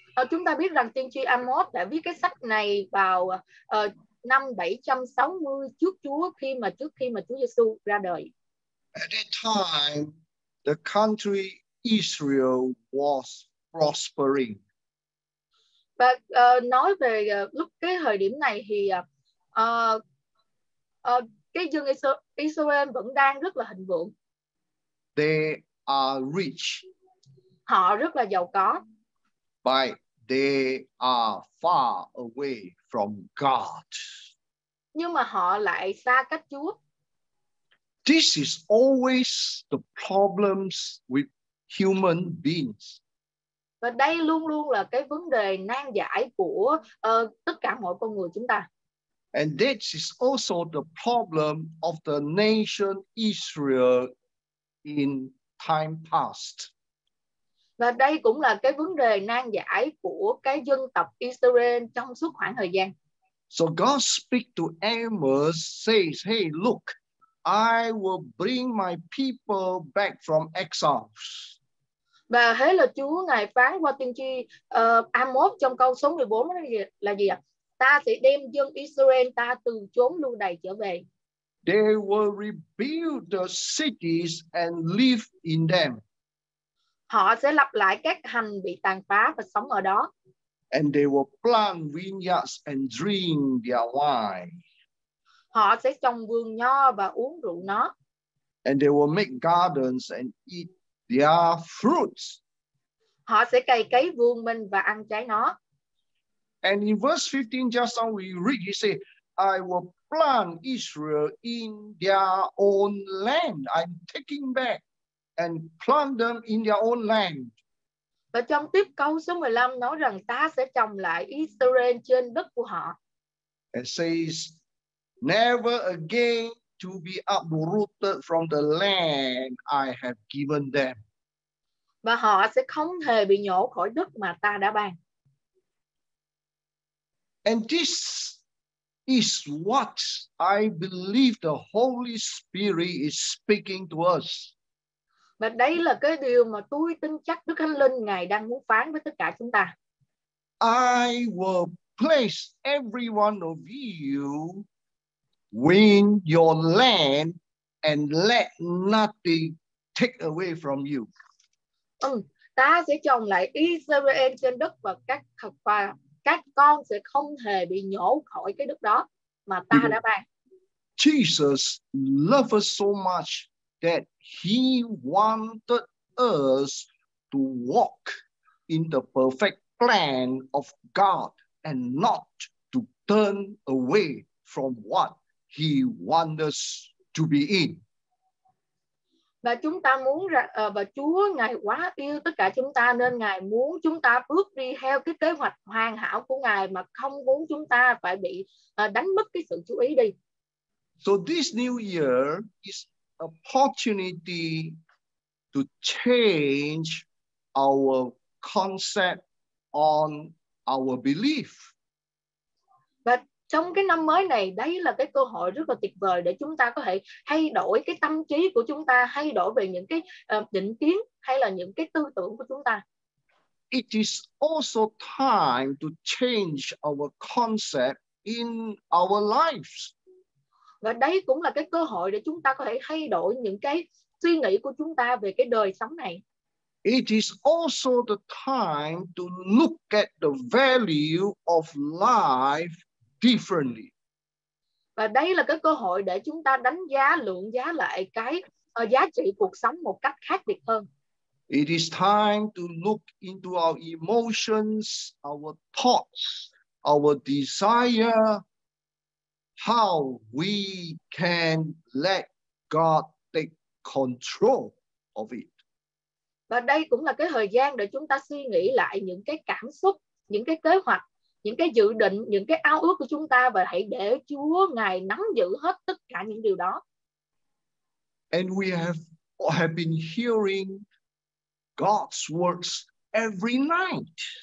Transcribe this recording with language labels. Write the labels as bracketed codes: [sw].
[vi] Chúng ta biết rằng tiên tri Amos đã viết cái sách này vào năm 760 trước khi mà Chúa Giêsu ra đời. [en] At that time, the country Israel was prospering. [vi] Và nói về lúc cái thời điểm này thì cái dân Israel vẫn đang rất là thịnh vượng. [en] They are rich. [vi] Họ rất là giàu có. [en] But they are far away from God. [vi] Nhưng mà họ lại xa cách Chúa. [en] This is always the problems with human beings. [vi] Và đây luôn luôn là cái vấn đề nan giải của tất cả mọi con người chúng ta. [en] And this is also the problem of the nation Israel in time past. [vi] Và đây cũng là cái vấn đề nan giải của cái dân tộc Israel trong suốt khoảng thời gian. [en] So God speak to Amos, says, hey, look, I will bring my people back from exiles. [vi] Và thế là Chúa Ngài phán qua tiên tri Amos trong câu số 14 là gì ạ? Ta sẽ đem dân Israel ta từ chốn lưu đày trở về. [en] They will rebuild the cities and live in them. [vi] Họ sẽ lập lại các thành bị tàn phá và sống ở đó. [en] And they will plant vineyards and drink their wine. [vi] Họ sẽ trồng vườn nho và uống rượu nó. [en] And they will make gardens and eat their fruits. [vi] Họ sẽ cày cấy vườn mình và ăn trái nó. [en] And in verse 15, just now we read, he say, I will plant Israel in their own land. I'm taking back and plant them in their own land. [vi] Và trong tiếp câu số 15 nói rằng ta sẽ trồng lại Israel trên đất của họ. [en] It says, never again to be uprooted from the land I have given them. [vi] Và họ sẽ không hề bị nhổ khỏi đất mà ta đã ban. [en] And this is what I believe the Holy Spirit is speaking to us. [vi] Và đây là cái điều mà tôi tin chắc Đức Thánh Linh Ngài đang muốn phán với tất cả chúng ta. [en] I will place every one of you within your land and let nothing take away from you. [vi] Ta sẽ trồng lại Israel trên đất và các con sẽ không hề bị nhổ khỏi cái đất đó mà ta đã ban. [en] Jesus loved us so much that he wanted us to walk in the perfect plan of God and not to turn away from what he wants us to be in. [vi] Và chúng ta muốn và Chúa Ngài quá yêu tất cả chúng ta nên Ngài muốn chúng ta bước đi theo cái kế hoạch hoàn hảo của Ngài mà không muốn chúng ta phải bị đánh mất cái sự chú ý đi. [en] So this new year is opportunity to change our concept on our belief. [vi] Và trong cái năm mới này, đấy là cái cơ hội rất là tuyệt vời để chúng ta có thể thay đổi cái tâm trí của chúng ta, thay đổi về những cái định kiến hay là những cái tư tưởng của chúng ta. [en] It is also time to change our concept in our lives. [vi] Và đấy cũng là cái cơ hội để chúng ta có thể thay đổi những cái suy nghĩ của chúng ta về cái đời sống này. [en] It is also the time to look at the value of life differently. [vi] Và đây là cái cơ hội để chúng ta đánh giá, lượng giá lại cái giá trị cuộc sống một cách khác biệt hơn. [en] It is time to look into our emotions, our thoughts, our desire, how we can let God take control of it. [vi] Và đây cũng là cái thời gian để chúng ta suy nghĩ lại những cái cảm xúc, những cái kế hoạch, những cái dự định, những cái ao ước của chúng ta và hãy để Chúa Ngài nắm giữ hết tất cả những điều đó. [en] And we have been hearing God's words every night.